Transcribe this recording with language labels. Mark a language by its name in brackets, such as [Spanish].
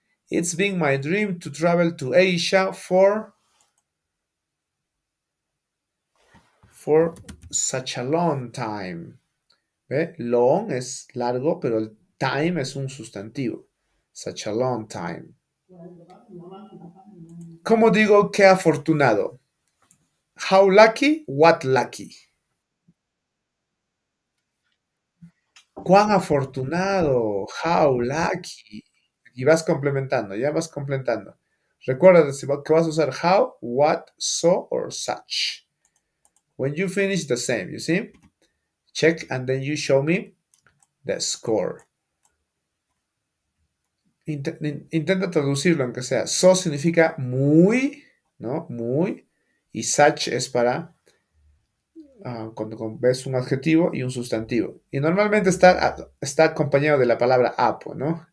[English] It's been my dream to travel to Asia for such a long time. [Spanish] ¿Ve? Long es largo, pero el time es un sustantivo. [English] Such a long time. [Spanish] ¿Cómo digo qué afortunado? [English] How lucky? What lucky? [Spanish] ¿Cuán afortunado? [English] How lucky? [Spanish] Y vas complementando, ya vas complementando. Recuerda que vas a usar how, what, so, or such. [English] When you finish the same, you see? Check and then you show me the score. [Spanish] Intenta traducirlo aunque sea. So significa muy, ¿no? Muy. Y such es para cuando ves un adjetivo y un sustantivo. Y normalmente está acompañado de la palabra apo, ¿no?